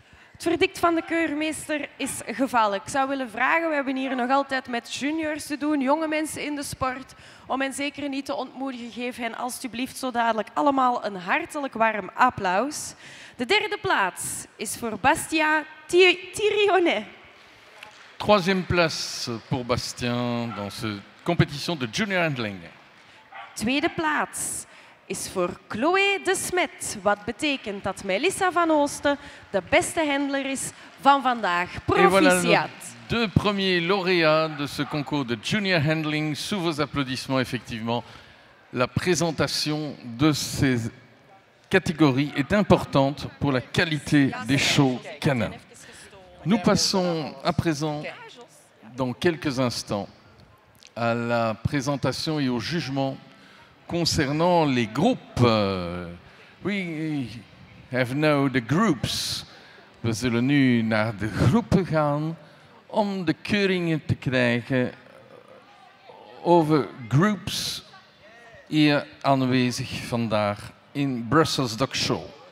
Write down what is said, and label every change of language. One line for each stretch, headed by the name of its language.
Dutch: Het verdict van de keurmeester is gevallen. Ik zou willen vragen, we hebben hier nog altijd met juniors te doen, jonge mensen in de sport, om hen zeker niet te ontmoedigen. Geef hen alstublieft zo dadelijk allemaal een hartelijk warm applaus. De derde plaats is voor Bastien Thirionnet.
French: Troisième place pour Bastien dans cette compétition de junior handling.
Dutch: Tweede plaats is voor Chloé de Smet, wat betekent dat Melissa van Oosten de beste handler is van vandaag. Proficiat.
French: Et voilà deux premiers lauréats de ce concours de junior handling. Sous vos applaudissements, effectivement, la présentation de ces catégories est importante pour la qualité des shows canins. Nous passons à présent, dans quelques instants, à la présentation et au jugement concernant les groupes.
English: We have now the groups.
Dutch: We zullen nu naar de groepen gaan om de keuringen te krijgen over groups hier aanwezig vandaag in Brussels Dog Show.